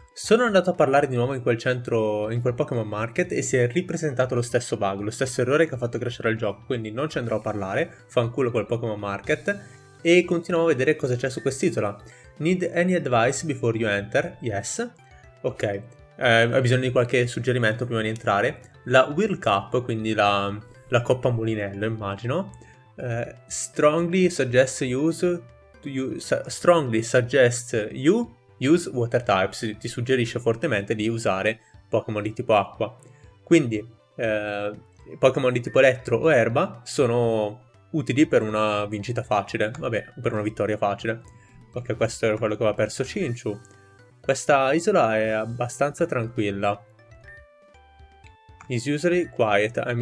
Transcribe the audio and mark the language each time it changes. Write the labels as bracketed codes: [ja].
[it] Sono andato a parlare di nuovo in quel centro, in quel Pokémon Market e si è ripresentato lo stesso bug, lo stesso errore che ha fatto crescere il gioco, quindi non ci andrò a parlare, fanculo quel Pokémon Market e continuiamo a vedere cosa c'è su quest'isola. [en] Need any advice before you enter? Yes. Ok. [it] Ha bisogno di qualche suggerimento prima di entrare. La Whirl Cup, quindi la coppa mulinello, immagino. [en] Strongly suggest use you, strongly suggest you use water types. [it] Ti suggerisce fortemente di usare Pokémon di tipo acqua. Quindi, Pokémon di tipo elettro o erba sono utili per una vincita facile. Vabbè, per una vittoria facile. Ok, questo è quello che aveva perso Cinchu. Questa isola è abbastanza tranquilla. [en] Is usually quiet.